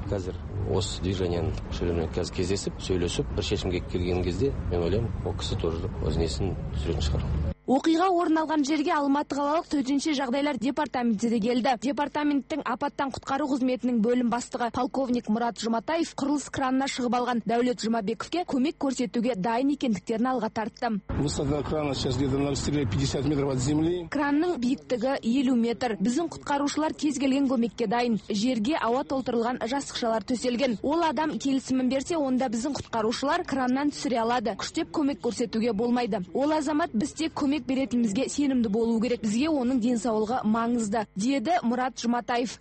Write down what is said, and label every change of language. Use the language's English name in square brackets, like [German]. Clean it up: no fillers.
[Kazakh] Қазір осы движенияның мүшелерімен қазір кездесіп, сөйлесіп, бір шешімге келген кезде мен ойлаймын, ол кісі [Russian] тоже [Kazakh] өз несін түсіретін шығар. Оқиға орын алған жерге Алматы қалалық төтенше жағдайлар департаменті де келді. Департаменттің апаттан құтқару қызметінің бөлім бастығы полковник Мұрат Жұматаев құрылыс кранына шығып алған Дәулет Жұмабековке көмек көрсетуге дайын екендіктерін алға тартты. [Russian] Высота крана сейчас где-то на высоте 50 метров от земли. [Kazakh] Кранның биіктігі 50 метр. Біздің құтқарушылар кез келген көмекке дайын. Жерге ауа толтырылған жастықшалар төселген. Ол адам келісімін берсе, онда біздің құтқарушылар краннан түсіре алады. Күштеп көмек көрсетуге болмайды. Ол азамат бізде көмек беретінімізге сенімді болу керек. Бізге оның денсаулығы маңызды, деді Мұрат Жұматаев.